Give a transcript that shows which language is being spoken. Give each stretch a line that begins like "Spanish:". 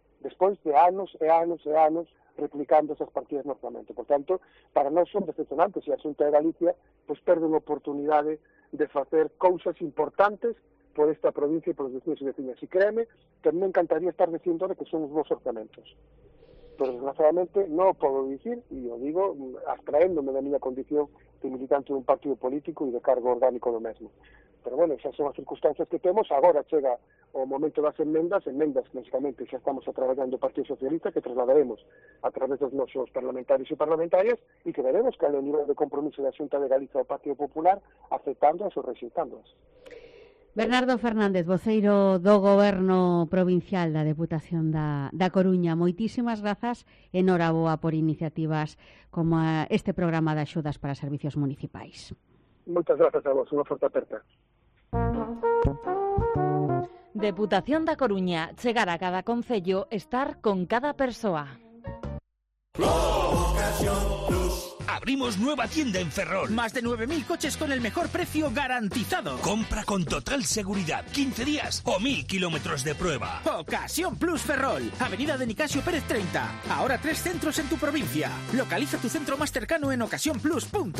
Galician: Despois de anos e anos e anos replicando esas partidas no orzamento. Por tanto, para nós son decepcionantes e a Xunta de Galicia pues, perde unha oportunidade de facer cousas importantes por esta provincia e por os vecinos e vecinas. E créeme que me encantaría estar dicindo que son os vos orzamentos. Pero, desgraciadamente, non o podo dicir, e o digo abstraéndome da miña condición de militante dun partido político e de cargo orgánico do mesmo. Pero, bueno, esas son as circunstancias que temos. Agora chega o momento das emendas, lógicamente, xa estamos a traballar no Partido Socialista, que trasladaremos a través dos nosos parlamentarios e parlamentarias e que veremos que hai o nivel de compromiso da Xunta de Galicia ao Partido Popular aceptándoas ou rexeitándoas. Bernardo Fernández, voceiro do Goberno Provincial da Deputación da Coruña, moitísimas grazas e enhoraboa por iniciativas como este programa de axudas para servicios municipais. Moitas grazas a vos, unha forte aperta. Deputación da Coruña, chegar a cada concello, estar con cada persoa.
Spanish: abrimos nueva tienda en Ferrol. Más de 9.000 coches con el mejor precio garantizado. Compra con total seguridad, 15 días o 1.000 kilómetros de prueba. Ocasión Plus Ferrol, Avenida de Nicasio Pérez 30. Ahora 3 centros en tu provincia. Localiza tu centro más cercano en ocasiónplus.com.